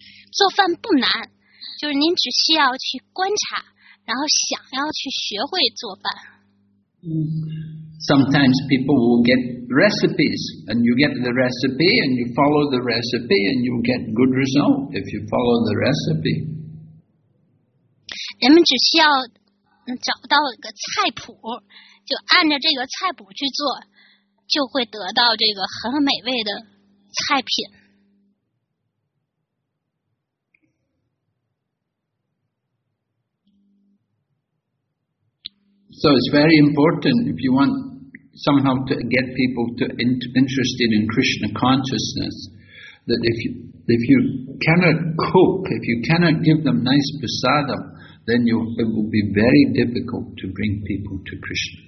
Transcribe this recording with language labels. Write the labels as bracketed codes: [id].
[zh] 做饭不难，就是您只需要去观察，然后想要去学会做饭。 [en] Sometimes people will get recipes and you get the recipe and you follow the recipe and you get good result if you follow the recipe. [zh] 人们只需要 找到一个菜谱，就按照这个菜谱去做，就会得到这个很美味的菜品。 [en] So it's very important if you want somehow to get people to interested in Krishna consciousness that if you cannot cook, if you cannot give them nice prasadam, then it will be very difficult to bring people to Krishna